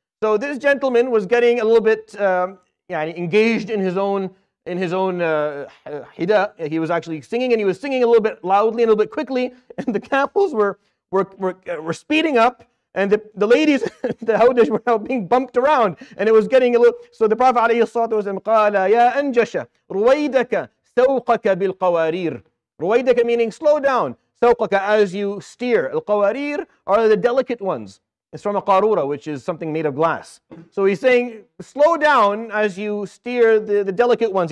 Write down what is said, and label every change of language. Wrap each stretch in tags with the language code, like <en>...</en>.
<en>So this gentleman was getting a little bit engaged in his own hida. He was actually singing, and he was singing a little bit loudly and a little bit quickly, and the camels were speeding up. And the ladies, the hawdish, were now being bumped around. And it was getting a little... So the Prophet</en> <ar>عليه الصلاة والسلام قال, يَا أَنْجَشَ رُوَيْدَكَ سَوْقَكَ بِالْقَوَارِيرِ.</ar> <en>رُوَيْدَكَ meaning slow down. سَوْقَكَ as you steer. القوارير are the delicate ones. It's from a قارورة, which is something made of glass. So he's saying, slow down as you steer the delicate ones.</en>